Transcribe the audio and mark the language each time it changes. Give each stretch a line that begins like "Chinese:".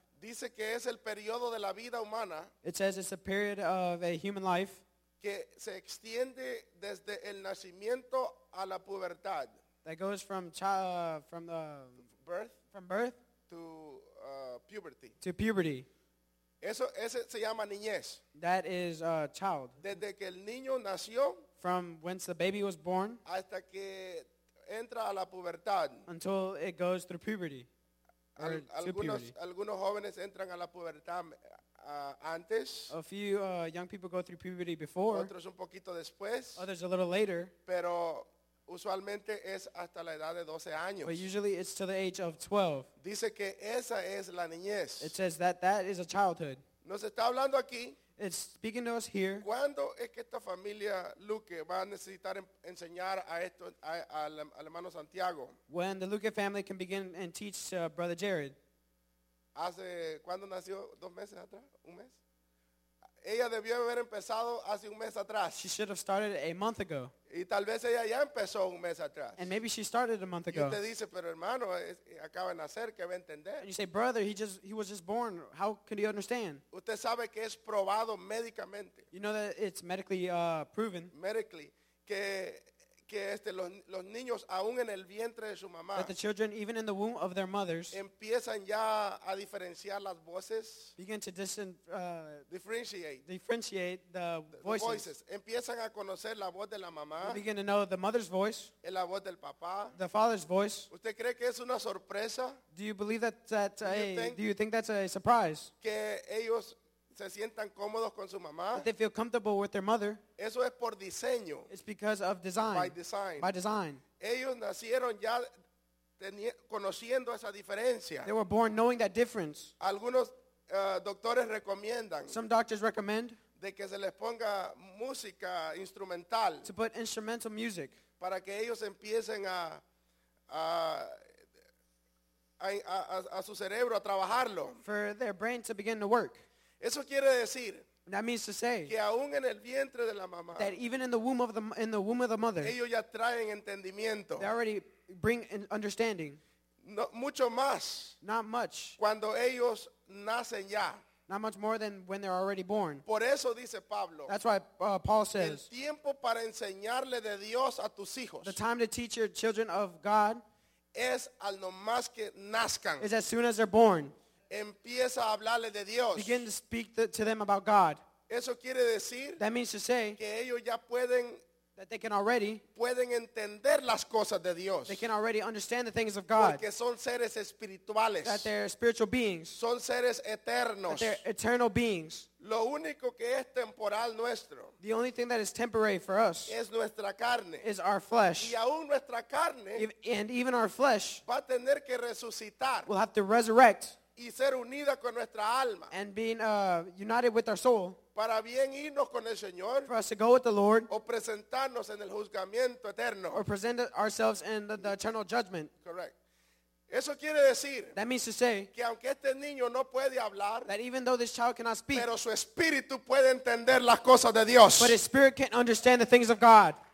Spanish: Dice que es el periodo de la vida humana.
English: It says it's a period of a human life.
Spanish: Que se extiende desde el nacimiento a la pubertad.
English: That goes from birth. From birth. To puberty. To puberty.
Spanish: Ese se llama niñez.
English: That is a child.
Spanish: Desde que el niño nació.
English: From whence the baby was born.
Spanish: Hasta que entra a la pubertad.
English: Until it goes through puberty.
Spanish: Algunos jóvenes entran a la pubertad antes.
English: A few young people go through puberty before.
Spanish: Otros un poquito después.
English: Others a little later.
Spanish: Pero usualmente es hasta la edad de 12 años.
English: But usually it's to the age of 12.
Spanish: Dice que esa es la niñez.
English: It says that is a childhood.
Spanish: Nos está hablando aquí.
English: It's speaking to us here.
Spanish: ¿Cuándo es que esta familia Luque va a necesitar enseñar a esto al hermano Santiago?
English: When the Luque family can begin and teach Brother Jared.
Spanish: ¿Hace cuándo nació? ¿Dos meses atrás? ¿Un mes? Ella debió haber empezado hace un mes atrás.
English: She should have started a month ago.
Spanish: Y tal vez ella ya empezó un mes atrás.
English: And maybe she started a month ago.
Spanish: Y usted dice, pero hermano, acaba de nacer, ¿qué va a entender?
English: And you say, brother, he was just born. How could he understand?
Spanish: Usted sabe que es probado médicamente.
English: You know that it's medically proven. Medically.
Spanish: Que los niños, aún en el vientre de su mamá.
English: That the children, even in the womb of their mothers.
Spanish: Empiezan ya a diferenciar las voces.
English: Begin to differentiate. Differentiate the voices. Voices.
Spanish: Empiezan a conocer la voz de la mamá.
English: They begin to know the mother's voice.
Spanish: Y la voz del papá.
English: The father's voice.
Spanish: ¿Usted cree que es una sorpresa?
English: Do you believe do you think that's a surprise?
Spanish: Que ellos se sientan cómodos con su mamá.
English: They feel comfortable with their mother.
Spanish: Eso es por diseño.
English: It's because of design. By design. By design.
Spanish: Ellos nacieron ya conociendo esa diferencia.
English: They were born knowing that difference.
Spanish: Algunos doctores recomiendan.
English: Some doctors recommend.
Spanish: De que se les ponga música instrumental.
English: To put instrumental music.
Spanish: Para que ellos empiecen a su cerebro a trabajarlo.
English: For their brain to begin to work.
Spanish: Eso quiere decir.
English: That means to say
Spanish: que aún en el vientre de la mamá,
English: that even in the womb of the mother,
Spanish: ellos ya traen entendimiento.
English: They already bring an understanding.
Spanish: No, mucho más.
English: Not much.
Spanish: Cuando ellos nacen ya.
English: Not much more than when they're already born.
Spanish: Por eso dice Pablo,
English: that's why Paul says,
Spanish: el tiempo para enseñarle de Dios a tus hijos,
English: the time to teach your children of God
Spanish: es al nomás que nazcan,
English: is as soon as they're born.
Spanish: Empieza a hablarle de Dios.
English: Begin to speak to them about God.
Spanish: Eso quiere decir,
English: that means to say,
Spanish: que ellos ya pueden,
English: that they can already,
Spanish: pueden entender las cosas de Dios.
English: They can already understand the things of God.
Spanish: Porque son seres espirituales.
English: That they're spiritual beings.
Spanish: Son seres eternos.
English: That they're eternal beings.
Spanish: Lo único que es temporal nuestro,
English: the only thing that is temporary for us,
Spanish: es nuestra carne,
English: is our flesh.
Spanish: Y aún nuestra carne,
English: and even our flesh,
Spanish: va a tener que resucitar.
English: Will have to resurrect.
Spanish: Y ser unida con nuestra alma,
English: and being united with our soul,
Spanish: para bien irnos con el Señor,
English: for us to go with the Lord,
Spanish: o presentarnos en el juzgamiento eterno,
English: or present ourselves in the eternal judgment. Correct.
Spanish: Eso quiere decir,
English: that means to say,
Spanish: que aunque este niño no puede hablar,
English: that even though this child cannot speak,
Spanish: pero su espíritu puede entender las cosas de Dios,
English: but his spirit can understand the things of God.